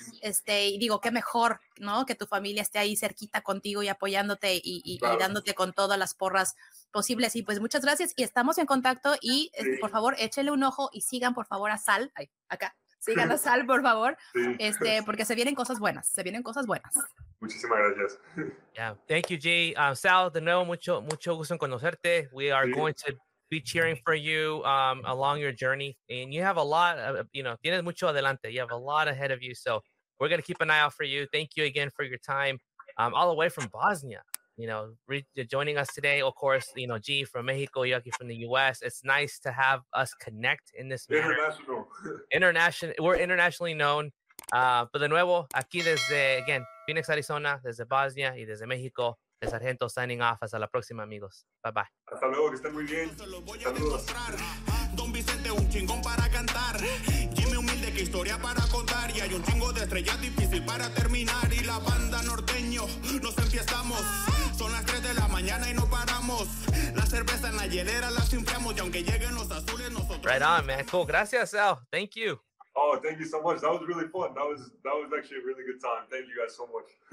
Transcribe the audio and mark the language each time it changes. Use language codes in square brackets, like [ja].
[es] Y digo, qué mejor, ¿no? Que tu familia esté ahí cerquita contigo y apoyándote y dándote con todas las porras posibles. Y pues muchas gracias y estamos en contacto y por favor, échenle un ojo y sigan por favor a Sal, sigan a Sal por favor, porque se vienen cosas buenas. Muchísimas gracias. [en] Yeah, thank you, Jay. [es] Sal, de nuevo, mucho, mucho gusto en conocerte. [en] We are going to be cheering for you along your journey and you have a lot, [es] tienes mucho adelante, [en] you have a lot ahead of you, so we're going to keep an eye out for you. Thank you again for your time all the way from Bosnia. Joining us today, of course, G from Mexico, Yucky from the U.S. It's nice to have us connect in this manner. International. We're internationally known. But [es] de nuevo, aquí desde, [en] again, Phoenix, Arizona, [es] desde Bosnia y desde México. [en] El Sargento signing off. [es] Hasta la próxima, amigos. Bye-bye. Hasta luego, que estén muy bien. Saludos. Don Vicente, un chingón para cantar. Jimmy humilde, que historia para contar. Y hay un chingo de estrellas difícil para terminar. Y la banda norteño, nos enfiestamos. Son las 3 de la mañana y no paramos. La cerveza en la hielera la simpleamos. Y aunque lleguen los azules, nosotros... [en] Right on, man. Cool. [es] Gracias, Sal. [en] Thank you. Oh, thank you so much. That was really fun. That was actually a really good time. Thank you guys so much.